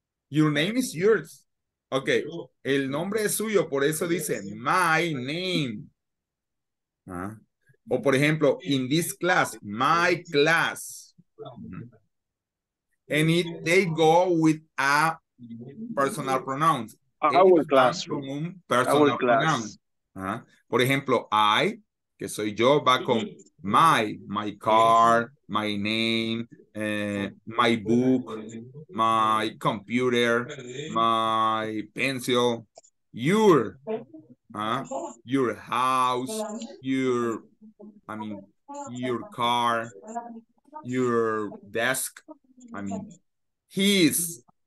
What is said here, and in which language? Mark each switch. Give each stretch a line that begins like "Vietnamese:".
English: Your name is yours. Okay.
Spanish: El nombre es suyo. Por eso dice
English: my name.
Spanish: O por ejemplo,
English: in this class, my class. And it, they go with a personal pronoun. Our classroom.
Spanish: Por ejemplo, I, que soy yo, va con
English: my car, my name. My book, my computer, my pencil, your house, your car, your desk, his